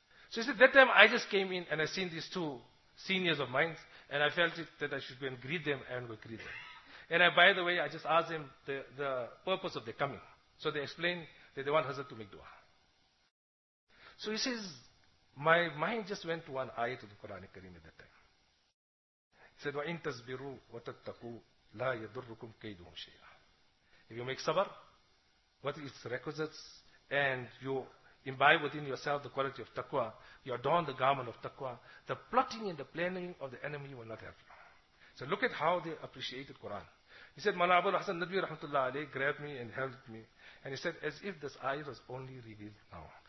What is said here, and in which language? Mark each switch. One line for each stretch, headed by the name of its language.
English: So he said, that time I just came in and I seen these two seniors of mine and I felt it that I should go and greet them and go greet them. And I just asked them the purpose of their coming. So they explained that they want Hazrat to make dua. So he says, my mind just went to one ayat of the Quran al-Kareem at that time. He said,
Arabic: وَإِن تَصْبِرُوا وَتَتَّقُوا لَا يَضُرُّكُمْ كَيْدُهُمْ شَيْئًا.
English: If you make sabr, what is its requisites, and you imbibe within yourself the quality of taqwa, you adorn the garment of taqwa, the plotting and the planning of the enemy will not help you. So look at how they appreciated Quran. He said, Mawla Abul Hasan Nadwi Rahmatullah Ali grabbed me and held me, and he said, as if this ayat was only revealed now.